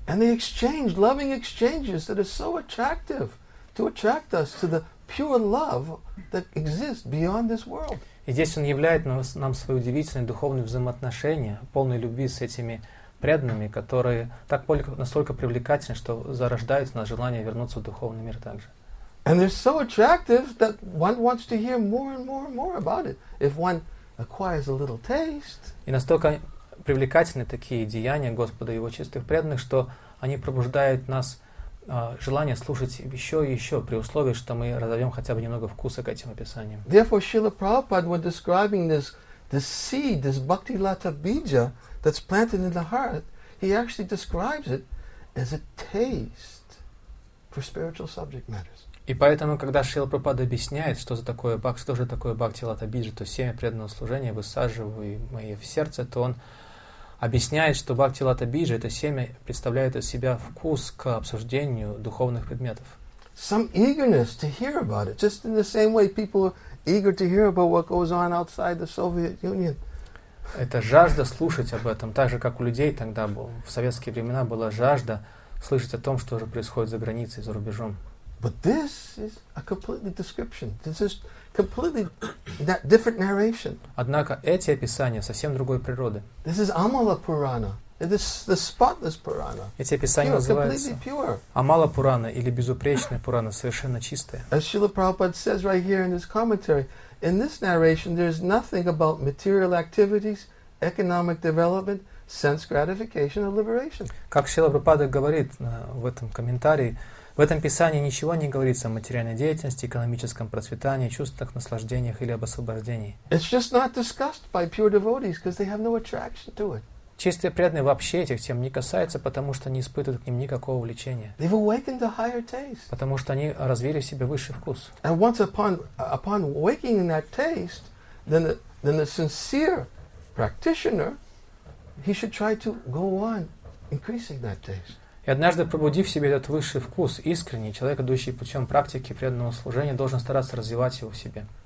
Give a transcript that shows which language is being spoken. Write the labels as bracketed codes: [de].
[en] And they exchange loving exchanges that are so attractive to attract us to the pure love that exists beyond this world. [ru] И здесь он являет нам свои удивительные духовные взаимоотношения, полные любви с этими преданными, которые так настолько привлекательны, что зарождаются на желание вернуться в духовный мир также. [en] And they're so attractive that one wants to hear more and more and more about it. If one acquires a little taste. [ru] И настолько привлекательны такие деяния Господа и Его чистых преданных, что они пробуждают нас желание слушать еще и еще, при условии, что мы разовьем хотя бы немного вкуса к этим описаниям. [en] Therefore, Srila Prabhupada, when describing this seed, this bhakti lata bija that's planted in the heart, he actually describes it as a taste for spiritual subject matters. [ru] И поэтому, когда Шрила Прабхупада объясняет, что за такое бхакти, что же такое бхакти лата биджа, то семя преданного служения, высаживаемое в сердце, то он объясняет, что бхакти лата биджа, это семя, представляет из себя вкус к обсуждению духовных предметов. [en] Some eagerness to hear about it. Just in the same way people are eager to hear about what goes on outside the Soviet Union. [ru] Это жажда слушать об этом, так же, как у людей тогда было. В советские времена была жажда слышать о том, что же происходит за границей, за рубежом. [en] But this is a completely description. This is completely different narration. [ru] Однако эти описания совсем другой природы. [en] This is Amala Purana. It is the spotless Purana. [ru] Эти описания называются Amala Purana или безупречная Пурана, совершенно чистая. [en] As Srila Prabhupada says right here in his commentary, in this narration there is nothing about material activities, economic development, sense gratification or liberation. [ru] Как Шрила Прабхупада говорит в этом комментарии, в этом писании ничего не говорится о материальной деятельности, экономическом процветании, чувствах, наслаждениях или об освобождении. [en] It's just not discussed by pure devotees because they have no attraction to it. [ru] Чистые преданные вообще этих тем не касаются, потому что не испытывают к ним никакого влечения. [en] They've awakened a higher taste. [ru] Потому что они развили в себе высший вкус. [en] And once upon waking in that taste, then the sincere practitioner, he should try to go on increasing that taste. [ru] И однажды пробудив в себе этот высший вкус, искренний человек, идущий путем практики преданного служения, должен стараться развивать его в себе.